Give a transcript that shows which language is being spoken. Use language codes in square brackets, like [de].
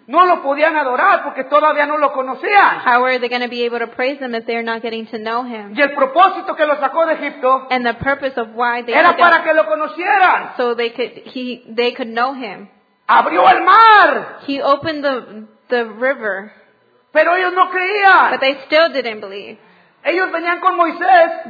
[es] No lo podían adorar porque todavía no lo conocían. [en] How are they going to be able to praise him if they are not getting to know him? [es] Y el propósito que lo sacó de Egipto. [en] And the purpose of why they [es] era para que lo conocieran. [en] So they could know him. [es] Abrió el mar. [en] He opened the river. [es] Pero ellos no creían. [en] But they still didn't believe. [es] Ellos venían con Moisés.